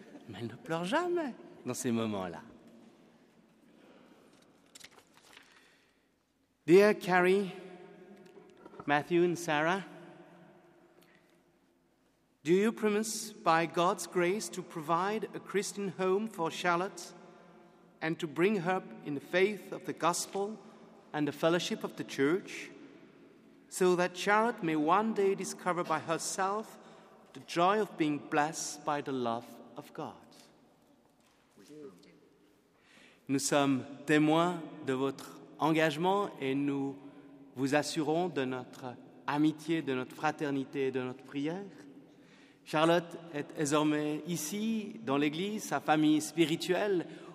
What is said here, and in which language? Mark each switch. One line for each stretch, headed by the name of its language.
French: Mais elle ne pleure jamais dans ces moments-là.
English: Dear Carrie, Matthew and Sarah, do you promise by God's grace to provide a Christian home for Charlotte and to bring her up in the faith of the gospel and the fellowship of the church, so that Charlotte may one day discover by herself the joy of being blessed by the love of God.
French: Nous sommes témoins de votre engagement et nous vous assurons de notre amitié, de notre fraternité et de notre prière. Charlotte est désormais ici, dans l'église, sa famille spirituelle.